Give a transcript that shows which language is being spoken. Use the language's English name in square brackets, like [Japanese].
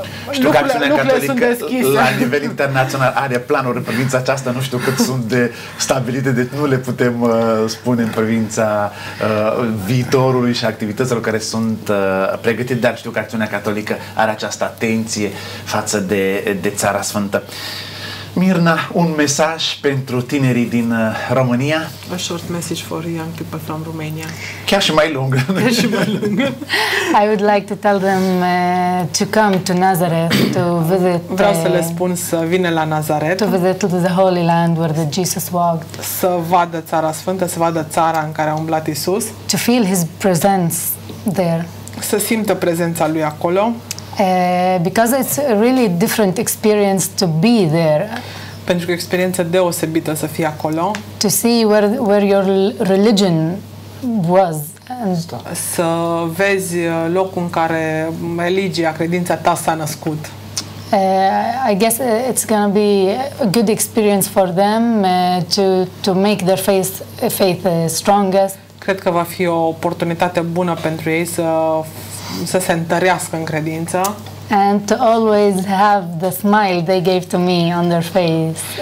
[Romanian] Știu că acțiunea catolică la nivel internațional are planuri în privința aceasta, nu știu cât sunt de stabilite, deci nu le putem spune în privința viitorului și activităților care sunt pregătite, dar știu că acțiunea catolică are această atenție față de, de Țara Sfântă. Mirna, un mesaj pentru tinerii din România? [English] A short message for young people from Romania. [Romanian] Chiar și mai lungă. [English] I would like to tell them to come to Nazareth to visit. [Romanian] Vreau să le spun să vină la Nazaret. [English] To visit the Holy Land where the Jesus walked. [Romanian] Să vadă Țara Sfântă, să vadă țara în care a umblat Isus. [English] To feel his presence there. [Romanian] Să simtă prezența lui acolo. [English] Because it's a really different experience to be there. [Romanian] Pentru că experiența deosebită să fie acolo. [English] To see where your religion was. [Romanian] Să vezi locul în care religia, credința ta s-a născut. [English] I guess it's going to be a good experience for them to make their faith strongest. [Romanian] Cred că va fi o oportunitate bună pentru ei să se întărească în credință. [English] And to always have the smile they gave to me on their face.